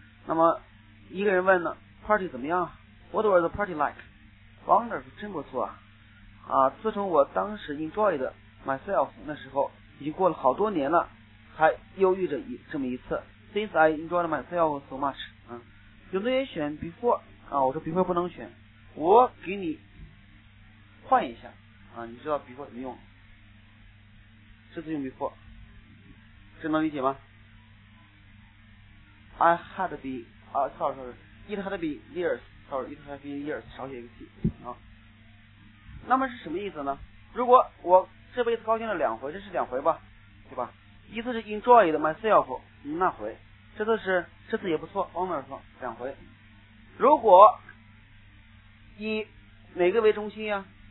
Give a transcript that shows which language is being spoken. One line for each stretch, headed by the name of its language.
Chinese: 那么一个人问呢 party 怎么样，
English: what was the party like，
Chinese: wonderful， 真不错啊，自从我当时 enjoyed myself 那时候已经过了好多年了，还忧郁着这么一次。
English: Since I enjoyed myself so much，
Chinese: 有的人选 before 啊，我说 before 不能选，我给你换一下啊，你知道 before 怎么用？
English: 这次用 before，
Chinese: 这能理解吗
English: ？I had to be 啊 ，sorry，it had to be years，sorry，it had to be years， 少写一个 t 啊。
Chinese: 那么是什么意思呢？如果我这辈子高兴了两回，这是两回吧，对吧？一次是 enjoy myself 那回，这次也不错 wonderful 两回。如果以哪个为中心呀？